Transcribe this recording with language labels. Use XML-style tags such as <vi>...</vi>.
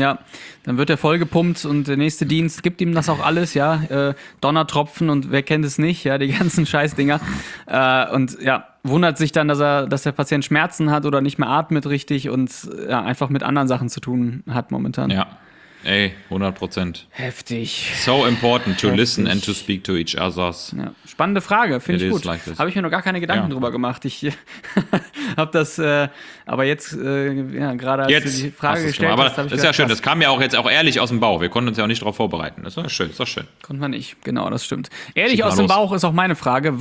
<de>Ja, dann wird er vollgepumpt und der nächste Dienst gibt ihm das auch alles, ja, Donnertropfen und wer kennt es nicht, ja, die ganzen Scheißdinger und ja, wundert sich dann, dass der Patient Schmerzen hat oder nicht mehr atmet richtig und ja, einfach mit anderen Sachen zu tun hat momentan. Ja, ey, 100%. Heftig.</de> <en>So important to listen and to speak to each other.</en> <de>Ja. Spannende Frage, finde ich gut. Like, habe ich mir noch gar keine Gedanken drüber gemacht. Ich habe das, aber jetzt, gerade als jetzt du die Frage gestellt hast, habe ich das ist ja schön, das kam ja auch jetzt auch ehrlich aus dem Bauch. Wir konnten uns ja auch nicht darauf vorbereiten. Das war schön, das war schön. Konnten wir nicht, genau, das stimmt. Ehrlich aus dem Bauch ist auch meine Frage.</de>